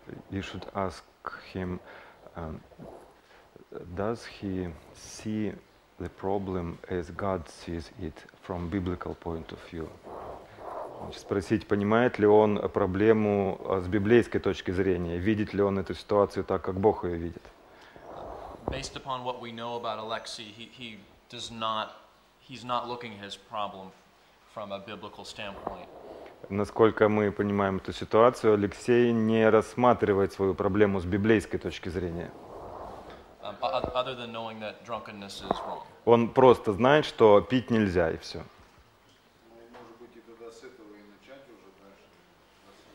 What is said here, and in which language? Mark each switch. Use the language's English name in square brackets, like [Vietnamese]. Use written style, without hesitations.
[English] You should ask him, does he see the problem as God sees it from biblical point of view? [Russian] Спросить, понимает ли он проблему с библейской точки зрения, видит ли он эту ситуацию так, как Бог ее видит? [English] Based upon what we know about Alexei, he does not, he's not looking at his problem from a biblical standpoint. [Russian] Насколько мы понимаем эту ситуацию, Алексей не рассматривает свою проблему с библейской точки зрения. [English] Other than knowing that drunkenness is wrong. [Russian] Он просто знает, что пить нельзя, и все. Может быть, и тогда с этого и начать уже дальше